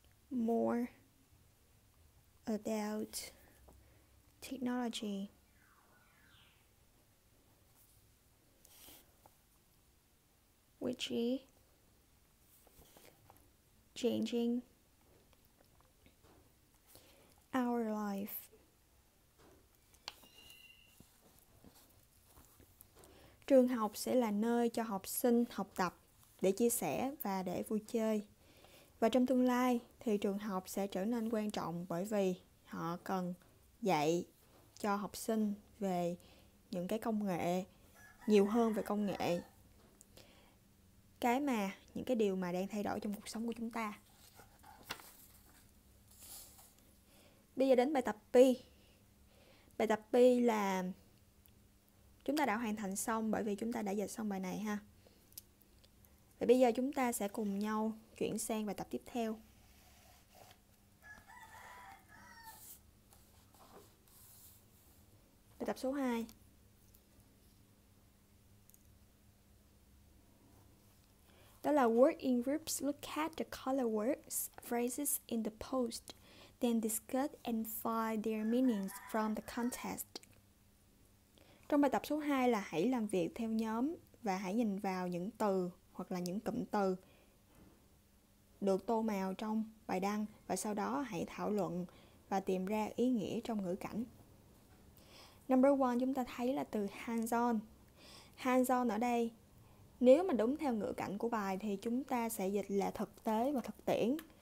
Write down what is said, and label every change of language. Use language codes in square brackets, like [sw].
[en] more about technology which is changing our life. [vi] Trường học sẽ là nơi cho học sinh học tập để chia sẻ và để vui chơi. Và trong tương lai thì trường học sẽ trở nên quan trọng bởi vì họ cần dạy cho học sinh về về những cái công nghệ, nhiều hơn về công nghệ, cái mà những cái điều mà đang thay đổi trong cuộc sống của chúng ta. Bây giờ đến bài tập Pi. Bài tập Pi là chúng ta đã hoàn thành xong bởi vì chúng ta đã dịch xong bài này ha. Và bây giờ chúng ta sẽ cùng nhau chuyển sang bài tập tiếp theo. Bài tập số 2. Đó là [en] work in groups, look at the color words, phrases in the post, then discuss and find their meanings from the context. [vi] Trong bài tập số 2 là hãy làm việc theo nhóm và hãy nhìn vào những từ hoặc là những cụm từ được tô màu trong bài đăng và sau đó hãy thảo luận và tìm ra ý nghĩa trong ngữ cảnh. [en] Number 1, [vi] chúng ta thấy là từ hands-on. Hands-on ở đây, nếu mà đúng theo ngữ cảnh của bài thì chúng ta sẽ dịch là thực tế và thực tiễn.